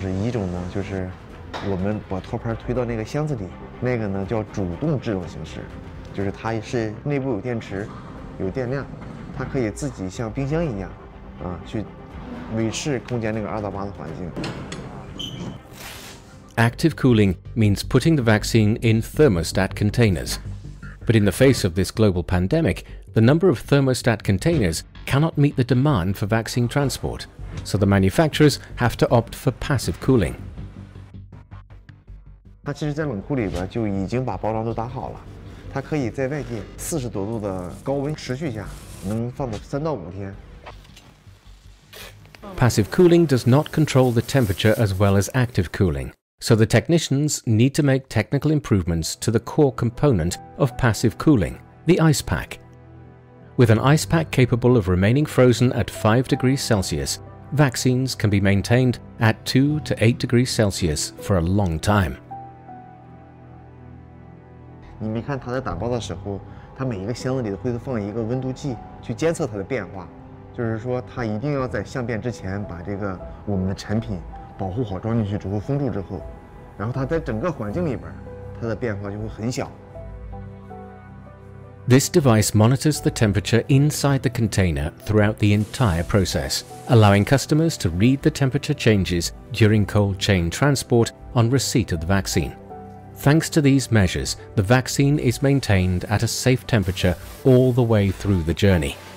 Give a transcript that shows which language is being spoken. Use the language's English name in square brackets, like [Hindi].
[Chinese] 是一种呢，就是我们把托盘推到那个箱子里，那个呢叫主动制动形式，就是它是内部有电池，有电量，它可以自己像冰箱一样，啊，去维持空间那个二到八的环境。 [English] Active cooling means putting the vaccine in thermostat containers. But in the face of this global pandemic, the number of thermostat containers cannot meet the demand for vaccine transport, so the manufacturers have to opt for passive cooling. [Chinese] 它其实在冷库里边就已经把包装都打好了，它可以在外界40多度的高温持续下能放到3到5天。 [English] Passive cooling does not control the temperature as well as active cooling. So the technicians need to make technical improvements to the core component of passive cooling, the ice pack. With an ice pack capable of remaining frozen at 5 degrees Celsius, vaccines can be maintained at 2 to 8 degrees Celsius for a long time. [Chinese] 你没看他在打包的时候，他每一个箱子里都会放一个温度计去监测它的变化，就是说他一定要在相变之前把这个我们的产品保护好，装进去之后封住之后，然后它在整个环境里边，它的变化就会很小。 [English] This device monitors the temperature inside the container throughout the entire process, allowing customers to read the temperature changes during cold chain transport on receipt of the vaccine. Thanks to these measures, the vaccine is maintained at a safe temperature all the way through the journey.